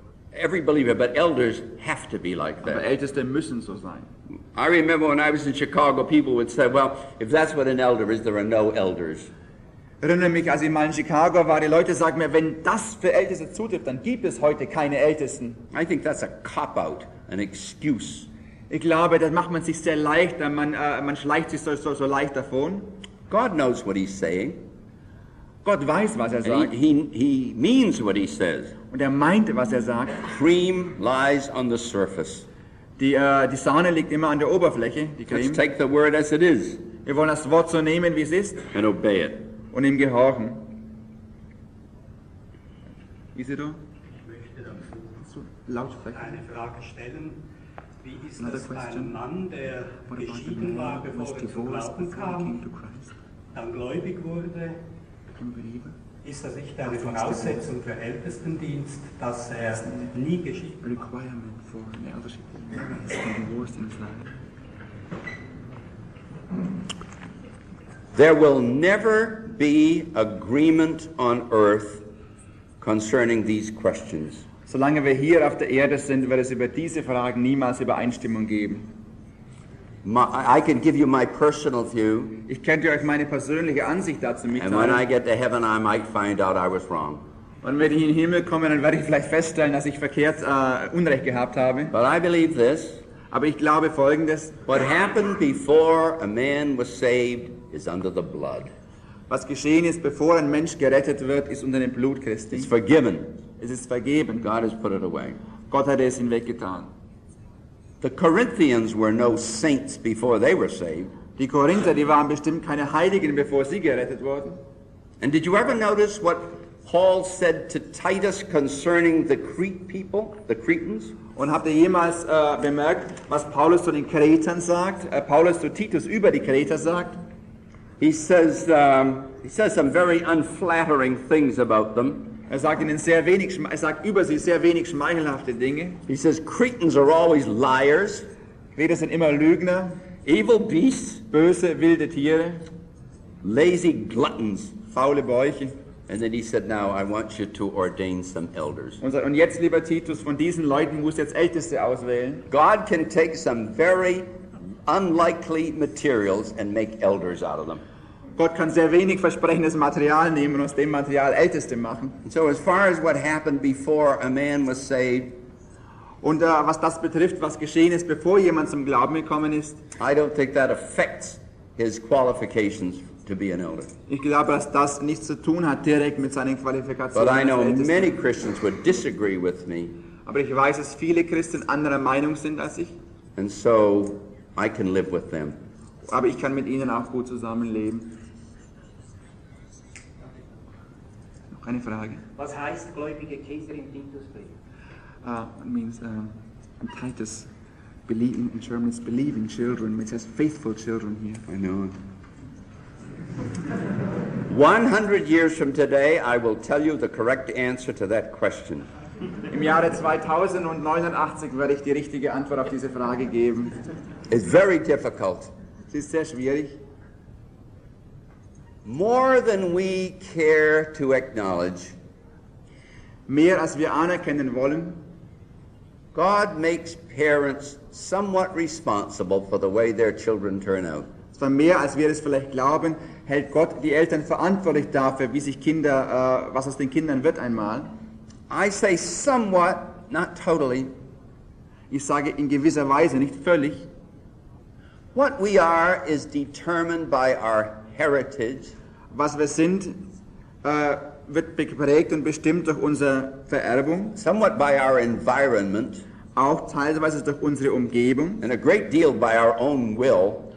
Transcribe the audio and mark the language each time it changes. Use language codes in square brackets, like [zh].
[en] Every believer, but elders have to be like that. [de] Aber Älteste müssen so sein. [en] I remember when I was in Chicago, people would say, well, if that's what an elder is, there are no elders. [de] Ich erinnere mich, als ich mal in Chicago war, die Leute sagten mir, wenn das für Älteste zutrifft, dann gibt es heute keine Ältesten. [en] I think that's a cop-out, an excuse. [de] Ich glaube, das macht man sich sehr leicht, man schleicht sich so leicht davon. [en] God knows what he's saying. [de] Gott weiß, was er sagt. [en] He means what he says. [de] Und er meint, was er sagt. [en] Cream lies on the surface. [de] Die Sahne liegt immer an der Oberfläche, [en] Let's take the word as it is. [de] Wir wollen das Wort so nehmen, wie es ist. [en] And obey it. [de] Und ihm gehorchen. Isidro? Ich möchte dazu laut sprechen. Eine Frage stellen. Wie ist [en] Another [de] das [en] question. [de] Einem Mann, der [en] What [de] geschieden war, bevor er zum Glauben kam, dann gläubig wurde? Ist das nicht eine Voraussetzung für Ältestendienst, dass er nie geschieden war? [en] There will never be agreement on earth concerning these questions. [de] Solange wir hier auf der Erde sind, wird es über diese Fragen niemals Übereinstimmung geben. [en] I can give you my personal view. [de] Ich könnte euch meine persönliche Ansicht dazu mitteilen. [en] And when I get to heaven, I might find out I was wrong. [de] Und wenn ich in den Himmel komme, dann werde ich vielleicht feststellen, dass ich verkehrt Unrecht gehabt habe. [en] But I believe this. [de] Aber ich glaube Folgendes. [en] What happened before a man was saved is under the blood. [de] Was geschehen ist, bevor ein Mensch gerettet wird, ist unter dem Blut Christi. [en] It's forgiven. [de] Es ist vergeben. [en] God has put it away. [de] Gott hat es hinweggetan. [en] The Corinthians were no saints before they were saved. [de] Die Korinther, die waren bestimmt keine Heiligen, bevor sie gerettet wurden. [en] And did you ever notice what Paul said to Titus concerning the Crete people, the Cretans? [de] Und habt ihr jemals bemerkt, was Paulus zu den Kretern sagt? Paulus zu Titus über die Kreter sagt? [en] He says some very unflattering things about them. [de] Er sagt ihnen sehr wenig, er sagt über sie sehr wenig schmeichelhafte Dinge. [en] He says Cretans are always liars. [de] Kreter sind immer Lügner. [en] Evil beasts, [de] böse wilde Tiere. [en] Lazy gluttons, [de] faule Bäuche. [en] And then he said, "Now I want you to ordain some elders." [de] Und jetzt, lieber Titus, von diesen Leuten musst du jetzt Älteste auswählen. [en] God can take some very unlikely materials and make elders out of them. [de] Gott kann sehr wenig versprechendes Material nehmen und aus dem Material Älteste machen. [en] So as far as what happened before a man was saved, [de] und was das betrifft, was geschehen ist, bevor jemand zum Glauben gekommen ist, [en] I don't think that affects his qualifications to be an elder. [de] Ich glaube, dass das nichts zu tun hat direkt mit seinen Qualifikationen. [en] But I know many Christians would disagree with me. [de] Aber ich weiß, dass viele Christen anderer Meinung sind als ich. [en] And so I can live with them. [de] Aber ich kann mit ihnen auch gut zusammenleben. Noch eine Frage. Was heißt gläubige Kinder im Titusbrief? [en] In Titus, believing in German is believing children. It says faithful children here. I know. 100 years from today, I will tell you the correct answer to that question. [de] Im Jahre 2089 werde ich die richtige Antwort auf diese Frage geben. [en] It's very difficult. [de] Es ist sehr schwierig. [en] More than we care to acknowledge. [de] Mehr als wir anerkennen wollen. [en] God makes parents somewhat responsible for the way their children turn out. [de] Zwar mehr als wir es vielleicht glauben, hält Gott die Eltern verantwortlich dafür, wie sich Kinder, was aus den Kindern wird einmal. [en] I say somewhat, not totally. [de] Ich sage in gewisser Weise, nicht völlig. [en] What we are is determined by our heritage. [de] Was wir sind, wird geprägt und bestimmt durch unsere Vererbung. [en] Somewhat by our environment. [de] Auch teilweise durch unsere Umgebung. [en] And a great deal by our own will.